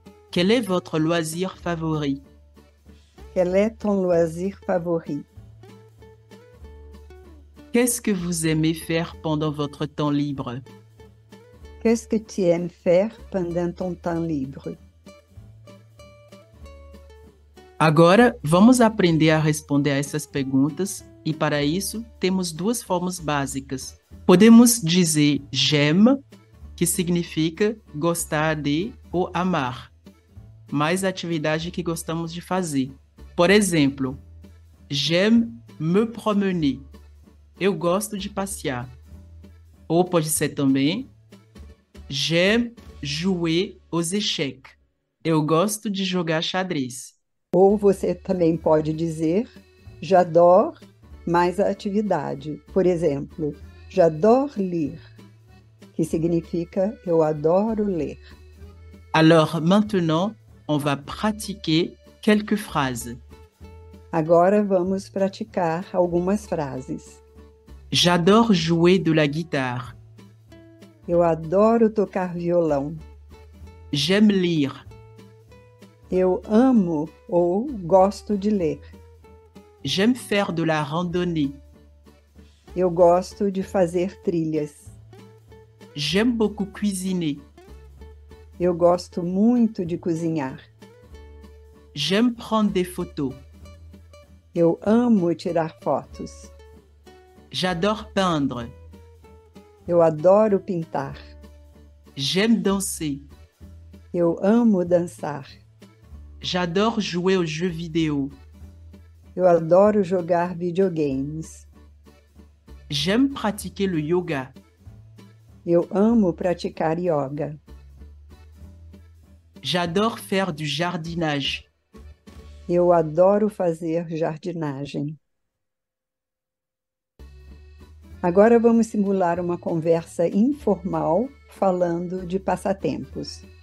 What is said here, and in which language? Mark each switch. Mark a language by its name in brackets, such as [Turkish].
[French] Quel est votre loisir favori? Quel est ton loisir favori? Qu'est-ce que vous aimez faire pendant votre temps libre? Qu'est-ce que tu aimes faire pendant ton temps libre? [Portuguese] Agora, vamos aprender a responder a essas perguntas e para isso, temos duas formas básicas. Podemos dizer j'aime, que significa gostar de ou amar, mais a atividade que gostamos de fazer. Por exemplo, [French] j'aime me promener. [Portuguese] Eu gosto de passear. Ou pode ser também [French] j'aime jouer aux échecs. [Portuguese] Eu gosto de jogar xadrez. Ou você também pode dizer j'adore mais a atividade. Por exemplo, [French] j'adore lire, [Portuguese] que significa eu adoro ler. [French] Alors maintenant, on va pratiquer quelques phrases. [Portuguese] Agora vamos praticar algumas frases. [French] J'adore jouer de la guitare. [Portuguese] Eu adoro tocar violão. [French] J'aime lire. [Portuguese] Eu amo ou gosto de ler. [French] J'aime faire de la randonnée. [Portuguese] Eu gosto de fazer trilhas. [French] J'aime beaucoup cuisiner. [Portuguese] Eu gosto muito de cozinhar. [French] J'aime prendre des photos. [Portuguese] Eu amo tirar fotos. [French] J'adore peindre. [Portuguese] Eu adoro pintar. [French] J'aime danser. [Portuguese] Eu amo dançar. [French] J'adore jouer aux jeux vidéo. [Portuguese] Eu adoro jogar videogames. [French] J'aime pratiquer le yoga. [Portuguese] Eu amo praticar yoga. [French] J'adore faire du jardinage. [Portuguese] Eu adoro fazer jardinagem. Agora vamos simular uma conversa informal falando de passatempos.